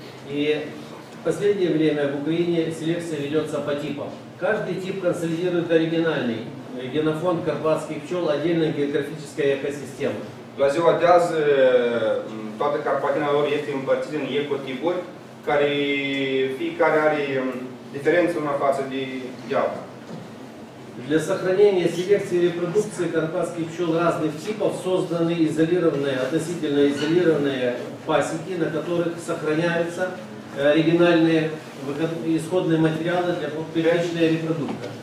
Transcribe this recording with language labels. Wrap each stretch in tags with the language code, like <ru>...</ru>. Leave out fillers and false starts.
<ru>И в последнее время в Украине селекция ведется по типам. Каждый тип консолидирует оригинальный генофонд карпатских пчел отдельной географической экосистемы.</ru> <ro>La ziua de azi, toată Carpatina lor este împărțită în ecotipuri, care fiecare are diferență una față de alta.</ro> <ru>Для сохранения селекции репродукции карпатских пчел разных типов созданы изолированные, относительно изолированные пасеки, на которых сохраняются оригинальные исходные материалы для первичной репродукции.</ru>